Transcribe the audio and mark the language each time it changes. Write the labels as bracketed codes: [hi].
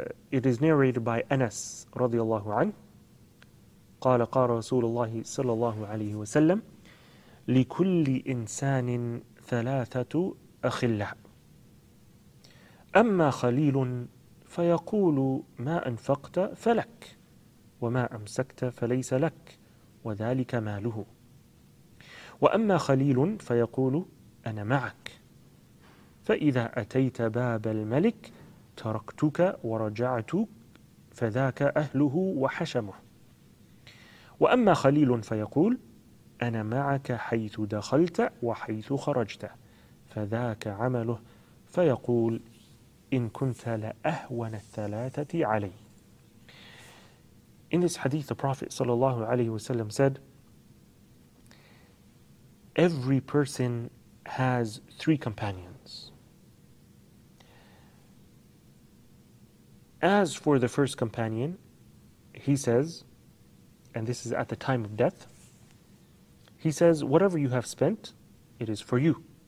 [en] It is narrated by Anas radiallahu anhu. [ar] قال قال رسول الله صلى الله عليه وسلم لكل إنسان ثلاثة أخلاء أما خليل فيقول ما أنفقت فلك وما أمسكت فليس لك وذلك ماله وأما خليل فيقول أنا معك فإذا أتيت باب الملك تركتك ورجعت فذاك أهله وحشمه وأما خليل فيقول أنا معك حيث دخلت وحيث خرجت فذاك عمله فيقول إن كنت لأهون الثلاثة علي. [en] In this hadith, the Prophet sallallahu alayhi wasallam said, every person has three companions. As for the first companion, he says, and this is at the time of death, he says, whatever you have spent, it is for you.